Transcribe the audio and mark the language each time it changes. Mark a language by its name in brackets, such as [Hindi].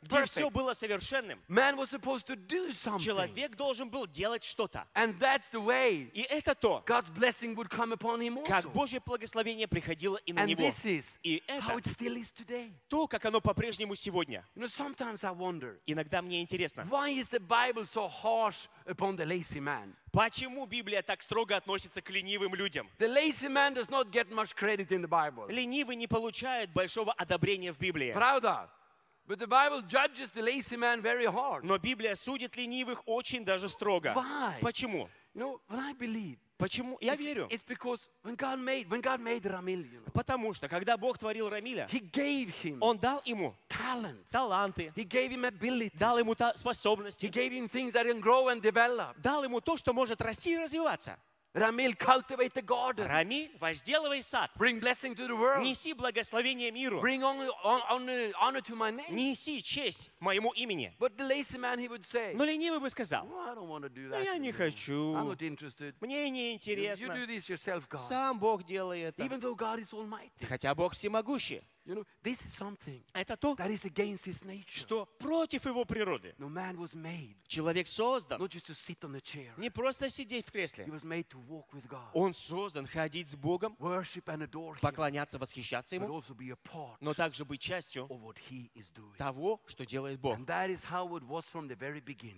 [Russian] где все было совершенным, [English] man was supposed to do something. [Russian] Человек должен был делать что-то. [English] And that's the way. [Russian] И это то, [English] God's blessing would come upon him also. [Russian] Как Божье благословение приходило и на него. [English] And this is [Russian] и это, [English] how it still is today. [Russian] То, как оно по-прежнему сегодня. [English] You know, sometimes I wonder, [Russian] иногда мне интересно, [English] why is the Bible so harsh upon the lazy man? [Russian] Почему Библия так строго относится к ленивым людям? [English] The lazy man does not get much credit in the Bible. [Russian] Ленивый не получает большого одобрения в Библии. Правда? [English] But the Bible judges the lazy man very hard. [Russian] Но Библия судит ленивых очень даже строго. [English] Why? [Russian] Почему? [English] You know, when I believe. [Russian] Почему? Я верю. [English] It's because when God made Рамиль, you know, [Russian] потому что когда Бог творил Рамиля, [English] he gave him. [Russian] Он дал ему. Таланты. [English] He gave him abilities. [Russian] Дал ему способности. [English] He gave him things that can grow and develop. [Russian] Дал ему то, что может расти и развиваться. [English] Рамиль, cultivate the garden. [Russian] Рамиль, возделывай сад. [English] Bring blessing to the world. [Russian] Неси благословение миру. [English] Bring honor to my name. [Russian] Неси честь моему имени. [English] But the lazy man, he would say. [Russian] Но ленивый бы сказал. [English] Well, I don't want to do that. [Russian] Я не хочу. [English] I'm not interested. [Russian] Мне не интересно. [English] You do this yourself, God. [Russian] Сам Бог делает. [English] Even though God is almighty. [Russian] Хотя Бог всемогущий. [English] You know, this is something that is against his nature. [Russian] Что против его природы. [English] No, man was made. [Russian] Человек создан. [English] Not just to sit on a chair. [Russian] Не просто сидеть в кресле. [English] He was made to walk with God. [Russian] Он создан ходить с Богом. [English] Worship and adore him. [Russian] Поклоняться, восхищаться ему. [English] But also be a part. [Russian] Но также быть частью [English] of what he is doing. [Russian] Того, что делает Бог. [English] And that is how it was from the very beginning.